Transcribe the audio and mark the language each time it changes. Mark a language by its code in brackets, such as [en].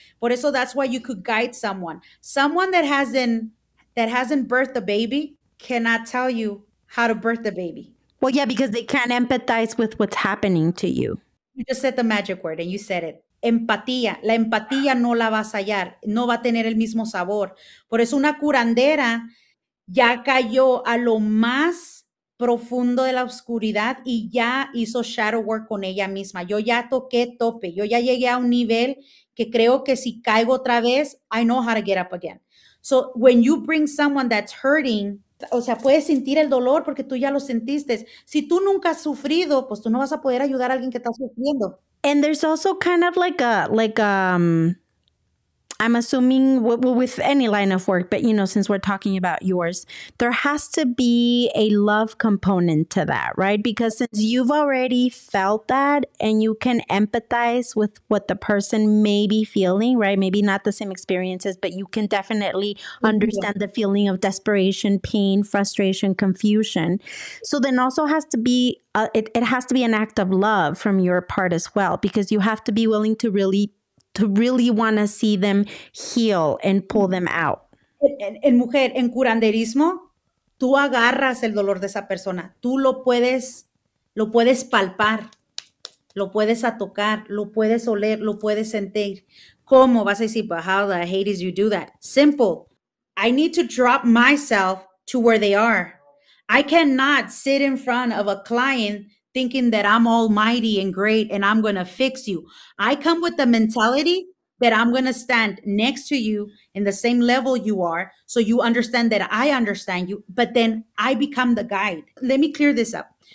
[es] Por eso [en] that's why you could guide someone. Someone that hasn't birthed a baby cannot tell you how to birth a baby. Well, yeah, because they can't empathize with what's happening to you. You just said the magic word and you said it. [es] Empatía. La empatía no la vas a hallar. No va a tener el mismo sabor. Por eso una curandera ya cayó a lo más profundo de la oscuridad y ya hizo shadow work con ella misma. Yo ya toqué tope. Yo ya llegué a un nivel que creo que si caigo otra vez, [en] I know how to get up again. So when you bring someone that's hurting, [es] o sea, puedes sentir el dolor porque tú ya lo sentiste. Si tú nunca has sufrido, pues tú no vas a poder ayudar a alguien que está sufriendo. [en] And there's also kind of I'm assuming with any line of work, but, you know, since we're talking about yours, there has to be a love component to that, right? Because since you've already felt that and you can empathize with what the person may be feeling, right? Maybe not the same experiences, but you can definitely understand the feeling of desperation, pain, frustration, confusion. So then also has to be, it has to be an act of love from your part as well, because you have to be willing to really want to see them heal and pull them out. [es] En mujer, en curanderismo, tú agarras el dolor de esa persona. Tú lo puedes palpar, lo puedes tocar, lo puedes oler, lo puedes sentir. ¿Cómo? Vas a decir, [en] but how the hate is you do that? Simple. I need to drop myself to where they are. I cannot sit in front of a client thinking that I'm almighty and great and I'm going to fix you. I come with the mentality that I'm going to stand next to you in the same level you are so you understand that I understand you, but then I become the guide. Let me clear this up.